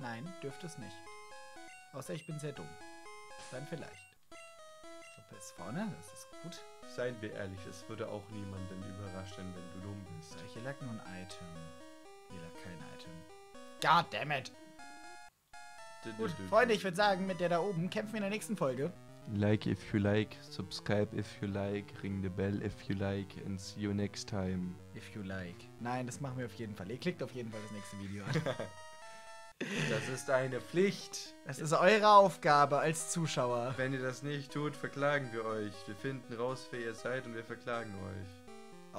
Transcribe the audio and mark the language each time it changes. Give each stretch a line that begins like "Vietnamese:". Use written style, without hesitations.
German: Nein, dürfte es nicht. Außer ich bin sehr dumm. Dann vielleicht. Suppe ist vorne, das ist gut. Seien wir ehrlich, es würde auch niemanden überraschen, wenn du dumm bist. Ja, hier lag nur ein Item. Hier lag kein Item. Goddammit! Gut, Freunde, ich würde sagen, mit der da oben kämpfen wir in der nächsten Folge.
English: Like if you like, subscribe if you like, ring the bell if you like, and see you next time. If you like.
German: Nein, das machen wir auf jeden Fall. Ihr klickt auf jeden Fall das nächste Video an. Das ist eine Pflicht. Das ist eure Aufgabe als Zuschauer. Wenn ihr das nicht tut, verklagen wir euch. Wir finden raus, wer ihr seid und wir verklagen euch.